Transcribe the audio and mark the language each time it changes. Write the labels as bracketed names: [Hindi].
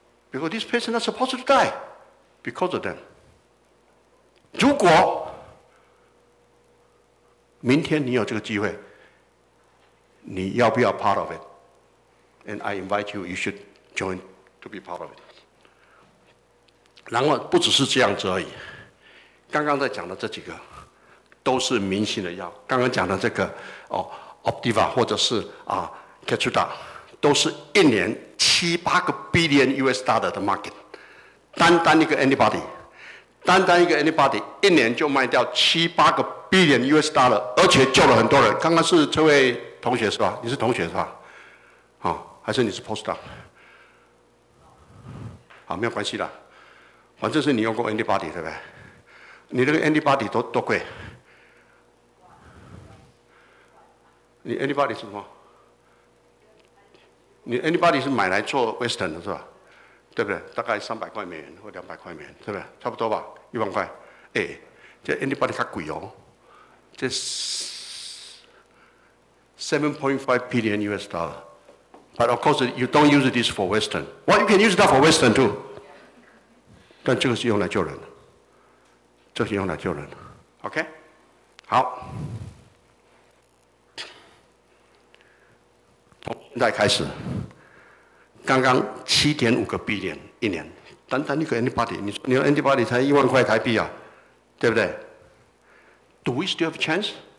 [English] Because this person is supposed to die because of them. [Chinese] 如果明天你有这个机会，你要不要 [English] part of it? And I invite you, you should join to be part of it. [Chinese] 然后不只是这样子而已。刚刚在讲的这几个都是明星的药。刚刚讲的这个哦 ，Opdivo 或者是啊 Keytruda。都是一年7-8个 billion US dollar 的 market， 单单一个 antibody，单单一个 antibody 一年就卖掉七八个 billion US dollar， 而且救了很多人。刚刚是这位同学是吧？你是同学是吧？好、哦，还是你是 postdoc？好，没有关系的，反正是你用过 antibody 对不对？你那个 antibody 多贵？你 antibody 是什么？你 antibody 是买来做 western 的是吧？对不对？大概$300或$200，对不对？差不多吧，$10,000。哎，这 antibody 较贵哦，这$7.5 billion US dollar。 [English] But of course, you don't use this for Western. Well, you can use that for Western too. [Chinese] 但这个是用来救人的，这是用来救人的。 OK， 好，从现在开始，刚刚$7.5 billion一年，单单一个 antibody， 你说你的 antibody 才$10,000啊，对不对 ？ [English] Do we still have a chance?